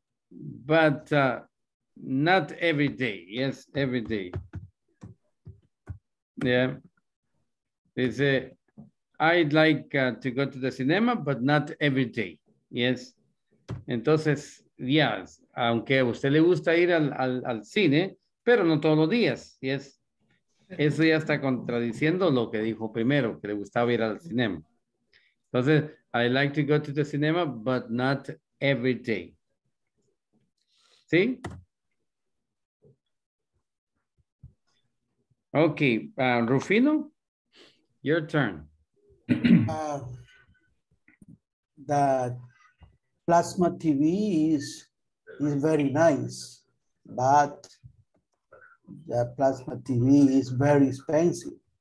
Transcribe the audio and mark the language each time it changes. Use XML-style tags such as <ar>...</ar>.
<en>But not every day. Yes, every day. Yeah. They say, I'd like to go to the cinema, but not every day. Yes. Entonces, yes.</en> <es>Aunque a usted le gusta ir al cine, pero no todos los días. Yes. Eso ya está contradiciendo lo que dijo primero, que le gustaba ir al cinema.</es> <en>Entonces, I like to go to the cinema, but not every day.</en> <es>¿Sí?</es> <en>Ok, Rufino, your turn. The plasma TV is very nice, but the plasma TV is very expensive.</en>